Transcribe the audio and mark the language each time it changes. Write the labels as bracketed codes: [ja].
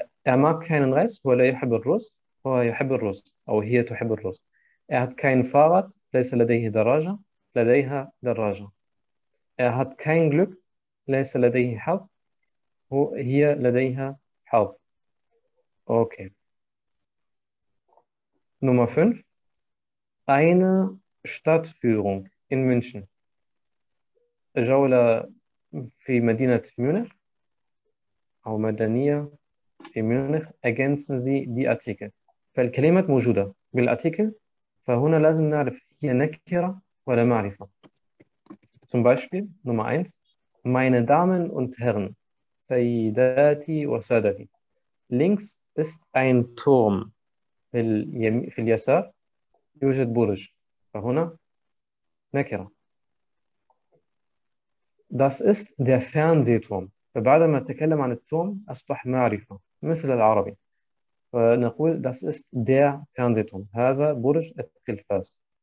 [de] Er mag keinen Reis, [ar] ولا يحب الرز، هو يحب الرز أو هي تحب الرز. [de] Er hat kein Fahrrad، [ar] ليس لديه دراجة، لديها دراجة. [de] Er hat kein Glück، [ar] ليس لديه حظ، هي لديها حظ. [de] Okay. Nummer 5. Eine Stadtführung in München. [ar] جولة في مدينة ميونخ أو مدنية في ميونخ، [de] ergänzen Sie die Artikel. [ar] فالكلمات موجودة بالأرتيكل، فهنا لازم نعرف هي نكرة ولا معرفة. [de] Zum Beispiel Nummer 1: Meine Damen und Herren، [ar] سيداتي وسادتي. [de] Links ist ein Turm، [ar] في اليسار يوجد برج، فهنا نكرة. [de] Das ist der Fernsehturm، [ar] فبعدما نتكلم عن التورم أصبح معرفة مثل العربي، فنقول [de] das ist der Fernsehturm، [ar] هذا برج التلفاز.